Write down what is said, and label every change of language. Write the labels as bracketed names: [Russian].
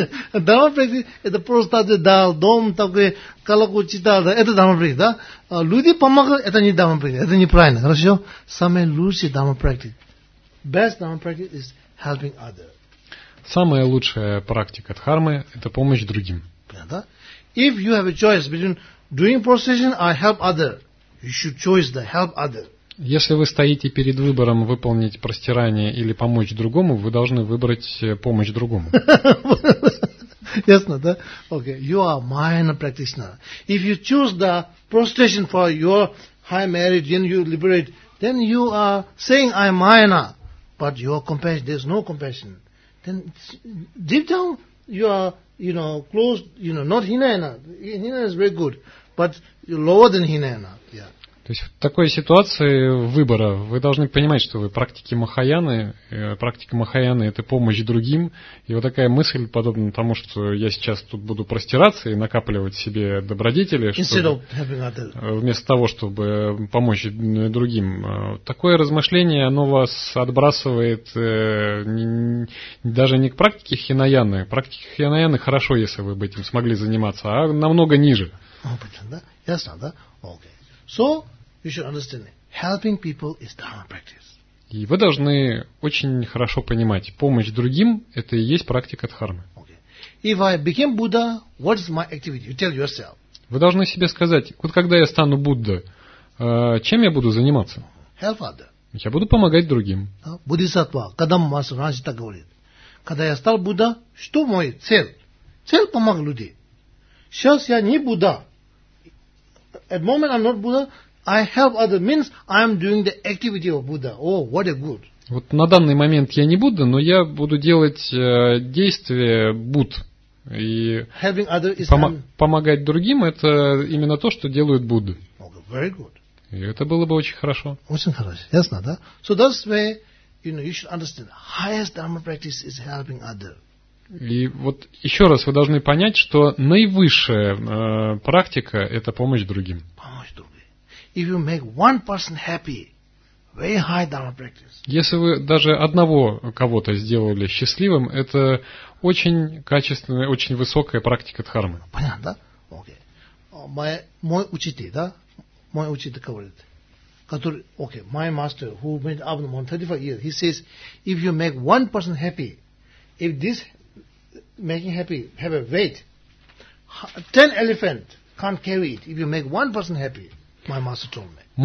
[Russian] Дхарма практика – это просто дал дом такой, колокольчик дал, да? Это дхарма практика, да? Люди помогают – это не дхарма практика, это неправильно, хорошо? Самая лучшая дхарма практика. [English] Best [Russian] дхарма практика [English] is helping others. [Russian] Самая лучшая практика дхармы – это помощь другим. Понятно, да? [English] If you have a choice between doing prostration or help others, you should choose the help others. [Russian] Если вы стоите перед выбором выполнить простирание или помочь другому, вы должны выбрать помощь другому. Ясно, да? [English] Okay. You are minor practitioner. If you choose the prostration for your high merit, then you liberate, then you are saying I am minor, but your compassion, there is no compassion. Then deep down, you are, you know, close, you know, not Hinayana. Hinayana is very good, but you're lower than Hinayana. Yeah. [Russian] То есть в такой ситуации выбора вы должны понимать, что вы практики Махаяны. Практика Махаяны – это помощь другим. И вот такая мысль, подобно тому, что я сейчас тут буду простираться и накапливать себе добродетели, чтобы, вместо того, чтобы помочь другим. Такое размышление, оно вас отбрасывает даже не к практике Хинаяны. Практика Хинаяны хорошо, если вы бы этим смогли заниматься, а намного ниже. Ясно, да? Окей. [English] So, you should understand, helping people is dharma practice. [Russian] И вы должны очень хорошо понимать, помощь другим – это и есть практика дхармы. [English] Okay. If I became Buddha, what is my activity? You tell yourself. [Russian] Вы должны себе сказать, вот когда я стану Будда, чем я буду заниматься? [English] Help other. [Russian] Я буду помогать другим. Буддхисаттва, когда мастер раньше так говорит, когда я стал Будда, что моя цель? Цель – помогать людям. Сейчас я не Будда. [English] At the moment I'm not Buddha, I help other means I'm doing the activity of Buddha. Oh, what a good. [Russian] Вот на данный момент я не Будда, но я буду делать действия Будды. [English] Helping others is [Russian] помогать другим – это именно то, что делают Будды. [English] Okay, very good. [Russian] И это было бы очень хорошо. Очень хорошо. Ясно, да? [English] So that's where, you know, you should understand. Highest dharma practice is helping others. [Russian] И вот еще раз вы должны понять, что наивысшая практика – это помощь другим. Помощь другим. [English] If you make one person happy, very high dharma practice. [Russian] Если вы даже одного кого-то сделали счастливым, это очень качественная, очень высокая практика дхармы. Понятно, да? Окей. Okay. Мой учитель, да? Мой учитель говорит, который, окей, [English] okay, my master, who made Abhinavan 35 years, he says, if you make one person happy, if this making happy have a weight, 10 elephant can't carry it if you make one person happy, my master told me.